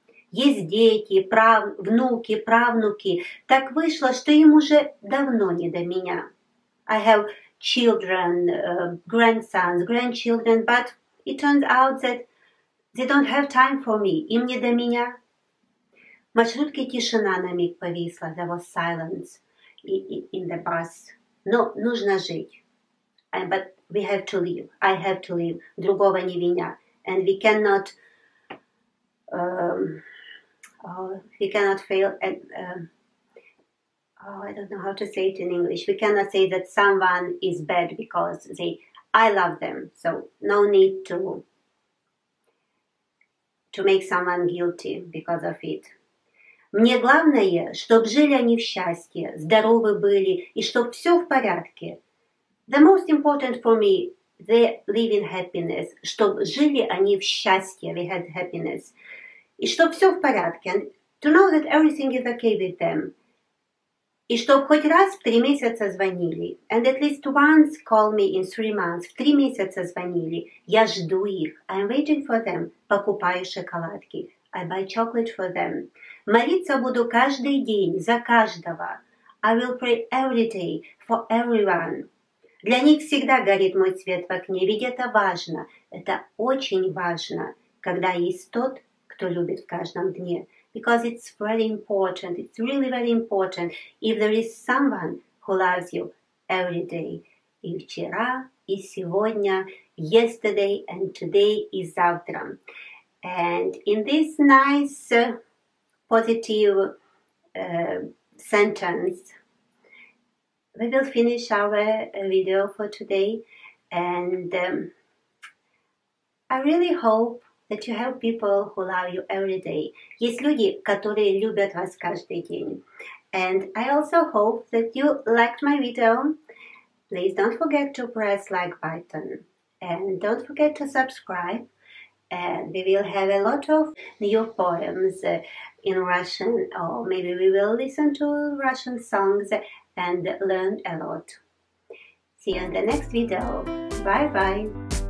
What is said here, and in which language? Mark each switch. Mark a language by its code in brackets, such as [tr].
[ru] Есть дети, внуки, правнуки. Так вышло, что им уже давно не до меня. [en] I have children, grandsons, grandchildren, but it turns out that they don't have time for me. [ru] Им не до меня. В маршрутке тишина на миг повисла. [en] There was silence in the bus. [ru] Но нужно жить. [en] But we have to live. I have to live. [ru] Другого не виня. [en] And we cannot fail. I don't know how to say it in English. We cannot say that someone is bad because they. I love them. So no need to make someone guilty because of it. [ru] Мне главное, чтобы жили они в счастье, здоровы были, и чтобы все в порядке. [en] The most important for me, they live in happiness. [ru] Чтоб жили они в счастье, [en] they had happiness. [ru] И чтоб все в порядке. [en] And to know that everything is okay with them. [ru] И чтоб хоть раз в 3 месяца звонили. [en] And at least once call me in 3 months. [ru] В 3 месяца звонили. Я жду их. [en] I'm waiting for them. [ru] Покупаю шоколадки. [en] I buy chocolate for them. [ru] Молиться буду каждый день за каждого. [en] I will pray every day for everyone. [ru] Для них всегда горит мой свет в окне, ведь это важно. Это очень важно, когда есть тот, кто любит в каждом дне. [en] Because it's very important, it's really very important, if there is someone who loves you every day. [ru] И вчера, и сегодня, [en] yesterday, and today, [ru] и завтра. [en] And in this nice positive sentence, we will finish our video for today, and I really hope that you have people who love you every day. [ru] Есть люди, которые любят вас каждый день. [en] And I also hope that you liked my video. Please don't forget to press like button, and don't forget to subscribe, and we will have a lot of new poems in Russian, or maybe we will listen to Russian songs and learned a lot. See you in the next video. Bye-bye.